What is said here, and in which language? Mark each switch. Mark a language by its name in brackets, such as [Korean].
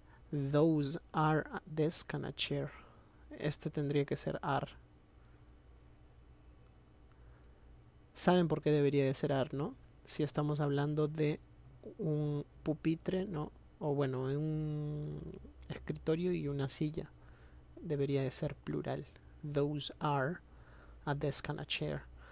[English] Those are a desk and a chair. [Spanish] Este tendría que ser are. ¿Saben por qué debería de ser are, no? Si estamos hablando de un pupitre, ¿no? O bueno, un escritorio y una silla. Debería de ser plural. [English] Those are a desk and a chair.